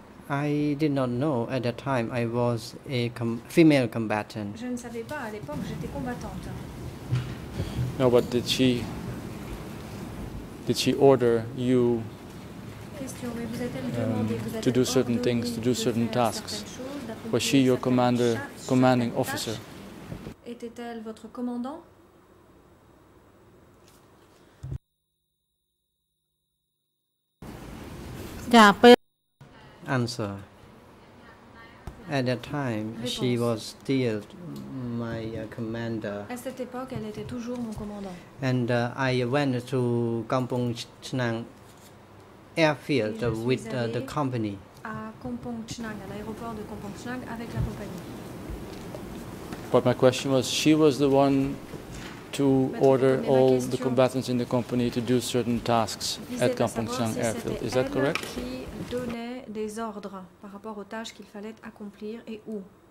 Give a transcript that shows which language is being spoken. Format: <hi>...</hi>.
<en>I did not know at that time I was a female combatant.</en> <fr>Je ne savais pas à l'époque j'étais combattante.</fr> <en>No, but did she order you</en> <fr>question,</fr> <en>to do certain things, to do certain tasks? Was she your commanding officer?</en> <fr>Était-elle votre commandant?</fr> <en>Answer. At that time,</en> <fr>réponse.</fr> <en>She was still my commander.</en> <fr>À cette époque, elle était toujours mon commandant.</fr> <en>And I went to Kampong Chinang Airfield with the company.</en> <fr>À Kampong Chinang, à l'aéroport de Kampong Chinang avec la compagnie.</fr> <en>But my question was, she was the one to order all the combatants in the company to do certain tasks at Kampong Chinang Airfield. Is that correct?</en> <fr>Qui donnait des ordres par rapport aux tâches qu'il fallait accomplir et où?</fr>